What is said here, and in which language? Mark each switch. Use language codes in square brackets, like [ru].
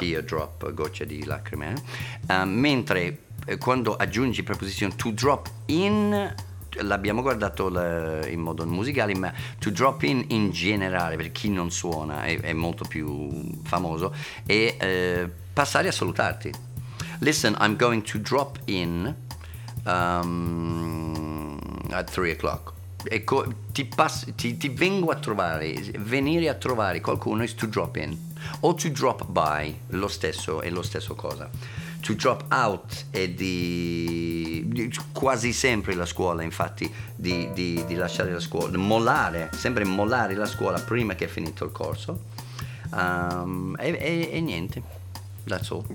[it] Teardrop, goccia di lacrime, eh? Mentre quando aggiungi preposizione [en] to drop in, [it] l'abbiamo guardato in modo musicale, ma to drop in generale, per chi non suona, è molto più famoso, è passare a salutarti. [en] Listen, I'm going to drop in at 3 o'clock. [it] Ecco, ti vengo a trovare, venire a trovare qualcuno [en] is to drop in, [it] o [en] to drop by, [it] lo stesso, è lo stesso cosa. To drop out è di quasi sempre la scuola, infatti, di lasciare la scuola, di mollare, sempre mollare la scuola prima che è finito il corso, e niente, [en] that's all.